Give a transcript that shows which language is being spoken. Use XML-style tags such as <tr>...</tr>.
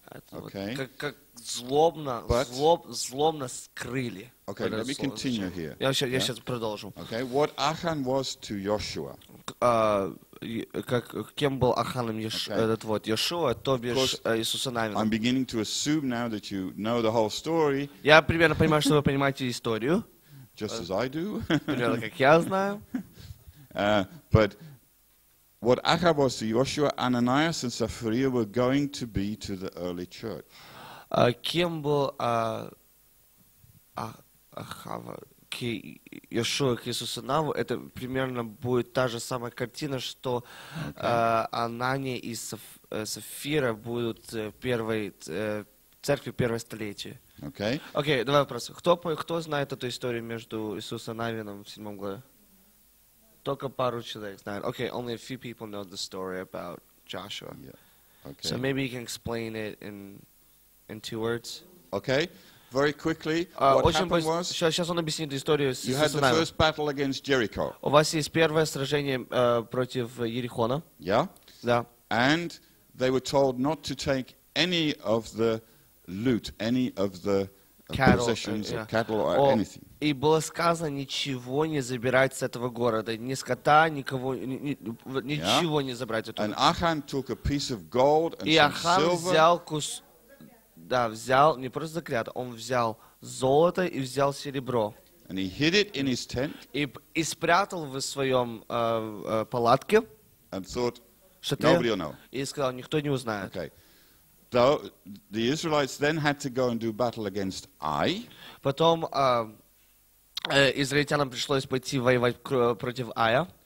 <en>Okay.</en> <ru>Как злобно скрыли.</ru> <en>Okay, let me continue here.</en> <ru>Я сейчас продолжу.</ru> <en>Okay, what Ахан was to Йошуа.</en> <ru>Как кем был Аханом этот вот Йошуа, то бишь Иисуса Навина.</ru> <en>I'm beginning to assume now that you know the whole story.</en> <ru>Я примерно понимаю, что вы понимаете историю.</ru> <en>Just as I do.</en> <ru>Примерно как я знаю.</ru> <en>But what Ahab was to Joshua, Ananias and Sapphira were going to be to the early church.</en> <ru>Кем был Ахава к Йошуа, к Иисусу Наву, это примерно будет та же самая картина, что Анания и Сафира будут церкви первого столетия. Окей. Окей, давай вопрос. Кто знает эту историю между Иисусом Навином в 7 главе? Только пару человек знает.</ru> <en>Окей, only a few people know the story about Joshua. Yeah. Okay. So maybe you can explain it in two words. Okay. Very quickly,</en> <ru>сейчас он объяснит историю с</ru> <en>Иисусом Навином. You had the first battle against Jericho.</en> <ru>У вас есть первое сражение против Иерихона.</ru> <en>Yeah.</en> <ru>Да.</ru> <en>And they were told not to take any of the loot, any of the cattle, possessions, yeah, of cattle or anything.</en> <ru>И было сказано ничего не забирать с этого города, ни скота, никого, ничего не забрать оттуда.</ru> <en>And Ахан took a piece of gold and</en> <ru>и</ru> <en>some</en> <ru>Ахан</ru> <en>silver.</en> <ru>Взял взял не просто заклято, он взял золото и взял серебро.</ru> <en>And he hid it in his tent.</en> <ru>И спрятал в своем палатке.</ru> <en>And thought nobody will know.</en> <ru>И сказал, никто не узнает.</ru> <en>Okay. So the Israelites then had to go and do battle against Ai.</en> <ru>Потом израильтянам пришлось пойти воевать против Ая.</ru>